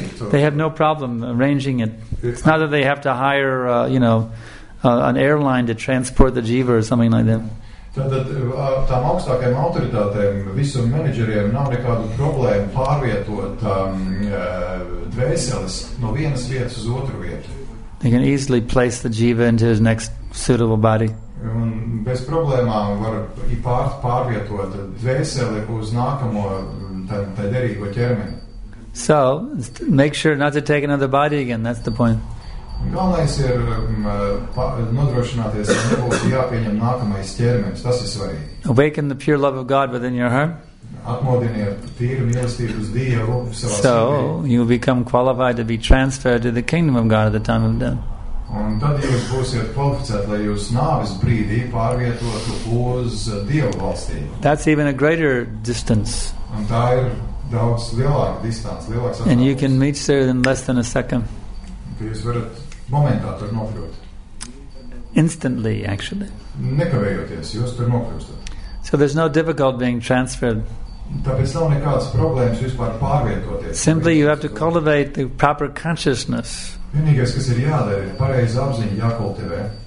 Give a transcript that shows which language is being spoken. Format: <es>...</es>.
<en>They have no problem arranging it. It's not that they have to hire, an airline to transport the jiva or something like that.</en> <lv>Tātad tām augstākajām autoritātēm, visu menedžeriem, nav nekādu problēmu pārvietot dvēseles no vienas vietas uz otru vietu.</lv> <en>They can easily place the jiva into his next suitable body.</en> <lv>Un bez problēmām var pārvietot dvēseli uz nākamo tā derīgo ķermeni.</lv> <en>So, make sure not to take another body again, that's the point.</en> <lv>Galvenais ir nodrošināties, ka nebūs jāpieņem nākamais ķermenis, tas ir svarīgi.</lv> <en>Awaken the pure love of God within your heart.</en> <lv>Atmodiniet tīru mīlestību uz Dievu savā sirdī.</lv> <en>So, you become qualified to be transferred to the kingdom of God at the time of death.</en> <lv>Un tad jūs būsiet kvalificēti, lai jūs nāves brīdī pārvietotu uz Dievu valstī.</lv> <en>That's even a greater distance.</en> <lv>Un tā ir daudz lielāka distance, lielāks attālums.</lv> <en>And you can meet there in less than a second.</en> <lv>Jūs varat momentā tur nokļūt.</lv> <en>Instantly, actually.</en> <lv>Nekavējoties, jūs tur nokļūstat.</lv> <en>So there's no difficulty being transferred.</en> <lv>Tāpēc nav nekādas problēmas vispār pārvietoties.</lv> <en>Simply you have to cultivate the proper consciousness.</en> <lv>Vienīgais, kas ir jādara, ir pareiza apziņa jākultivē.</lv>